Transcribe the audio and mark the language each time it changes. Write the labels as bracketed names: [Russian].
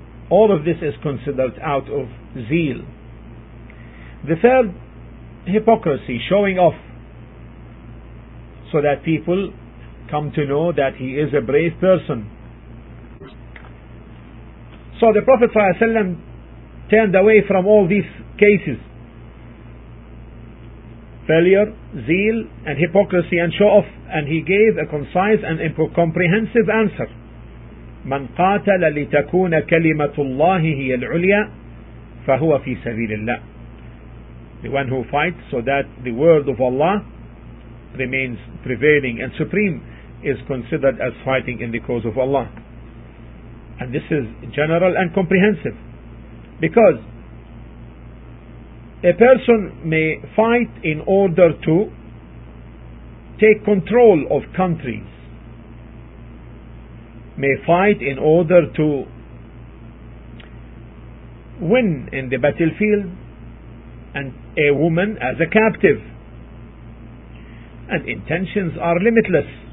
[English] All of this is considered out of zeal. The third, hypocrisy, showing off so that people come to know that he is a brave person. So the Prophet ﷺ turned away from all these cases: failure, zeal, and hypocrisy, and show off, and he gave a concise and comprehensive answer. [Arabic] من قاتل لتكون كلمة الله هي العليا فهو في سبيل الله. [English] The one who fights so that the word of Allah remains prevailing and supreme is considered as fighting in the cause of Allah. And this is general and comprehensive, because a person may fight in order to take control of countries, may fight in order to win in the battlefield and a woman as a captive, and intentions are limitless.